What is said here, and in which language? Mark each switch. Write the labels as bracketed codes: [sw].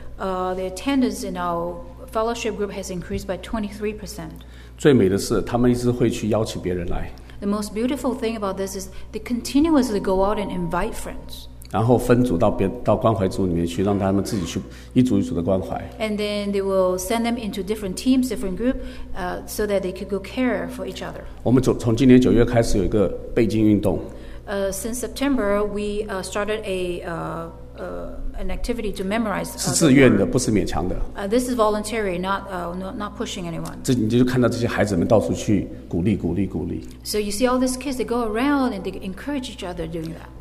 [en] The attendance in our fellowship group has increased by 23%. [zh] 最美的是他们一直会去邀请别人来 [en] The most beautiful thing about this is they continuously go out and invite friends. [zh] 然后分组到关怀组里面去让他们自己去一组一组的关怀 [en] And then they will send them into different teams, different groups, so that they could go care for each other. [zh] 我们从今年九月开始有一个背经运动 [en] Since September, we started an activity to memorize [zh] 是自愿的不是勉强的 [en] this is voluntary not pushing anyone [zh] 这你就看到这些孩子们到处去鼓励鼓励鼓励 [en] so you see all these kids they go around and they encourage each other doing that